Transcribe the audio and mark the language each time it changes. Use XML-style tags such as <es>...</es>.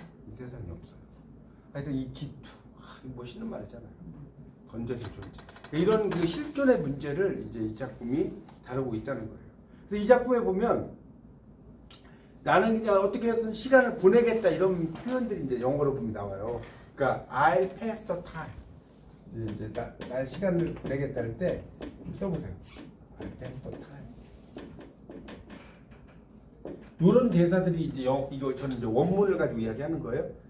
<ko>이 세상에 없어요. 하여튼 이 기투. 하, 멋있는 말이잖아요. 던져진 존재. 이런 그 실존의 문제를 이제 이 작품이 다루고 있다는 거예요. 그래서 이 작품에 보면 나는 그냥 어떻게 해서 시간을 보내겠다 이런 표현들이 이제 영어로 보면 나와요. 그러니까</ko> <en>I'll pass the time.</en> <ko>이제 나 시간을 보내겠다 할 때 써보세요.</ko> <en>I'll pass the time.</en> <ko>이런 대사들이 이제 이거 저는 이제 원문을 가지고 이야기하는 거예요.</ko>